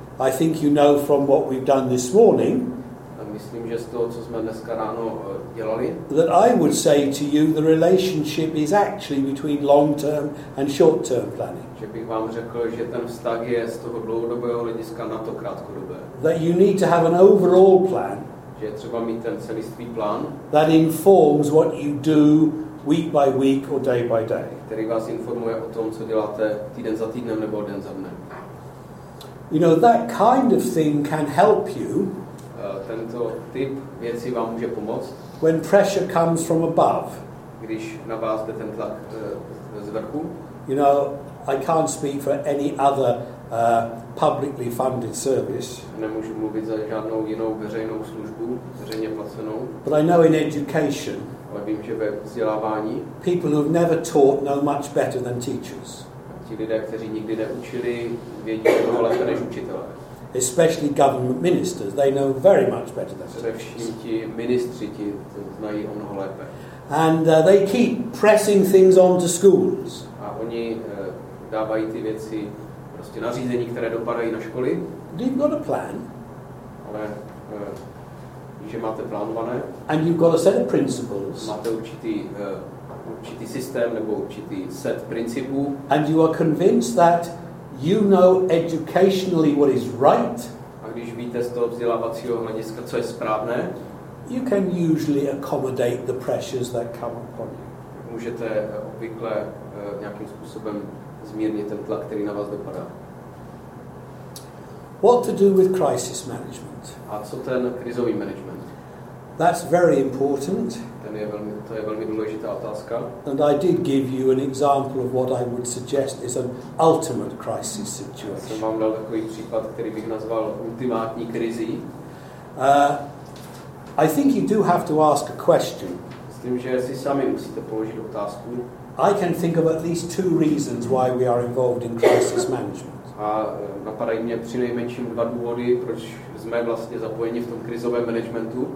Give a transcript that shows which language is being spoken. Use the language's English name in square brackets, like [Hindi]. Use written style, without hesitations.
[English] I think you know from what we've done this morning. [Czech] Myslím, že z toho, co jsme dneska ráno dělali. [English] That I would say to you, the relationship is actually between long-term and short-term planning. [Czech] Že bych vám řekl, že ten vztah je z toho dlouhodobého hlediska na to krátkodobé. [English] That you need to have an overall plan. [Czech] Že třeba mít ten celistvý plán. [English] That informs what you do week by week or day by day. [Czech] Který vás informuje o tom, co děláte týden za týdnem nebo den za dnem. [English] You know, that kind of thing can help you. [Czech] Tento typ věcí vám může pomoct. [English] When pressure comes from above. [Czech] Když na vás jde ten tlak z vrchu. [English] You know, I can't speak for any other publicly funded service. [Czech] Nemůžu mluvit za žádnou jinou veřejnou službu, veřejně placenou. [English] But I know in education. [Czech] Ale vím, že ve vzdělávání. [English] People who've never taught know much better than teachers. [Czech] Ti lidé, kteří nikdy neučili, vědí mnoho lépe než učitelé. [English] Especially government ministers, they know very much better than teachers. And they keep pressing things on to schools. [Czech] A oni dávají ty věci, prostě nařízení, které dopadají na školy. [English] You've got a plan. [Czech] Ale že máte plánované. [English] And you've got a set of principles. [Czech] Máte určitý systém nebo určitý set principů. [English] And you are convinced that you know educationally what is right. [Czech] A když víte z toho vzdělávacího hlediska, co je správné. [English] You can usually accommodate the pressures that come upon you. [Czech] Můžete obvykle nějakým způsobem zmírnit ten tlak, který na vás dopadá. [English] What to do with crisis management? [Czech] A co ten krizový management? [English] That's very important. [Czech] To je velmi důležitá otázka. [English] And I did give you an example of what I would suggest is an ultimate crisis situation. [Czech] Já jsem vám dal takový případ, který bych nazval ultimátní krizí. [English] I think you do have to ask a question. [Czech] Myslím, že si sami musíte položit otázku. [English] I can think of at least two reasons why we are involved in crisis management. [Czech] A napadají mě přinejmenším dva důvody, proč jsme vlastně zapojeni v tom krizovém managementu.